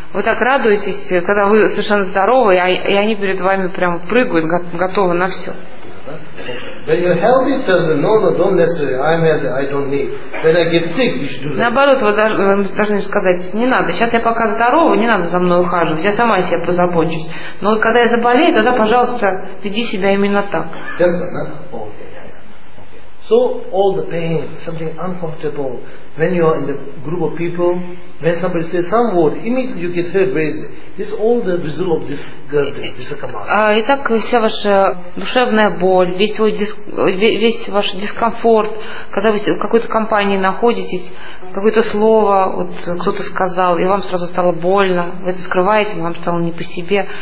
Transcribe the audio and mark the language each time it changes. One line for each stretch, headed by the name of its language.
Russian: Вы так радуетесь, когда вы совершенно здоровы, и они перед вами прямо прыгают, готовы на все.
English: When you're healthy, tell them, no, don't necessarily. I'm healthy, I don't need. When I get sick, you should do that.
Russian: Наоборот, вы должны сказать, не надо. Сейчас я пока здорова, не надо за мной ухаживать. Я сама о себе позабочусь. Но вот когда я заболею, тогда, пожалуйста, веди себя именно так.
English: That's So all the pain, something uncomfortable, when you are in the group of people, when somebody says some word, immediately you get hurt. This all the result of this garden, this kamala.
Russian: Итак, вся ваша душевная боль, весь ваш дискомфорт, когда вы в какой-то компании находитесь, какое-то слово, вот кто-то сказал, и вам сразу стало больно, вы это скрываете, вам стало не по себе.